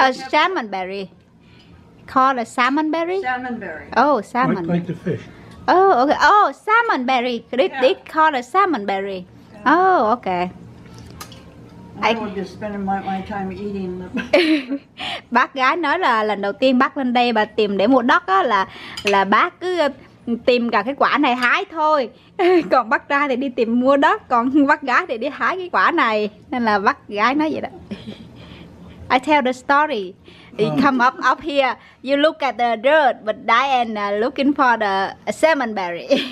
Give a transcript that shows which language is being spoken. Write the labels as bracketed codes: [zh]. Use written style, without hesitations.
[en] Salmon berry. Called a salmon berry. Salmon berry. Oh, salmon. Like the fish. Oh, okay. Oh, salmon berry. They call it salmon berry. Yeah. Oh, okay. I'm just spending my time eating them. [vi] Bác gái nói là lần đầu tiên bác lên đây bà tìm để mua đất á, là bác cứ tìm cả cái quả này hái thôi. Còn bác trai thì đi tìm mua đất, còn bác gái thì đi hái cái quả này. Nên là bác gái nói vậy đó. [en] I tell the story. You come up here, you look at the dirt, but Diane looking for the salmon berry.